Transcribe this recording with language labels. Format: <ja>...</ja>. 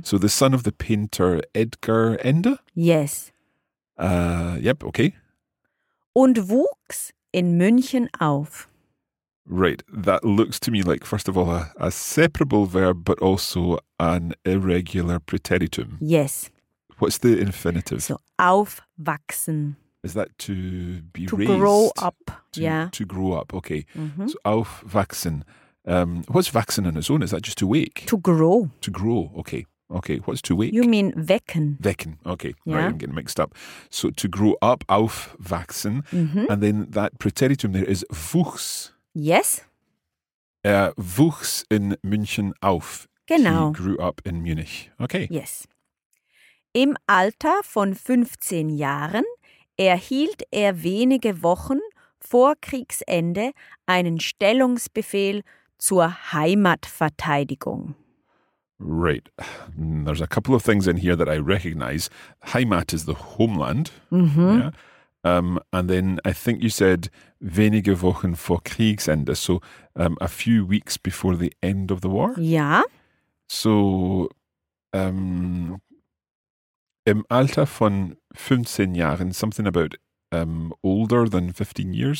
<en>So the son of the painter Edgar Ende? Yes. Yep, okay.</en> <de>Und wuchs in München auf.</de> <en>Right, that looks to me like, first of all, a separable verb, but also an irregular preteritum. Yes. What's the infinitive? So, aufwachsen. Is that to be to raised? To grow up, to, yeah. To grow up, okay. Mm-hmm. So, aufwachsen. What's wachsen on its own? Is that just to wake? To grow. To grow, okay. Okay, what's to wake? You mean wecken. Wecken, okay. Yeah. Right, I'm getting mixed up. So to grow up, aufwachsen. Mm-hmm. And then that preteritum there is wuchs. Yes.</en> <de>Wuchs in München auf. Genau.</de> <en>He grew up in Munich. Okay. Yes.</en> <de>Im Alter von 15 Jahren erhielt er wenige Wochen vor Kriegsende einen Stellungsbefehl zur Heimatverteidigung.</de> <en>Right. There's a couple of things in here that I recognize. Heimat is the homeland. Mm-hmm. Yeah. And then I think you said</en> <de>wenige Wochen vor Kriegsende.</de> <en>So a few weeks before the end of the war. Yeah. So</en> <de>im Alter von 15 Jahren,</de> <en>something about older than 15 years.</en>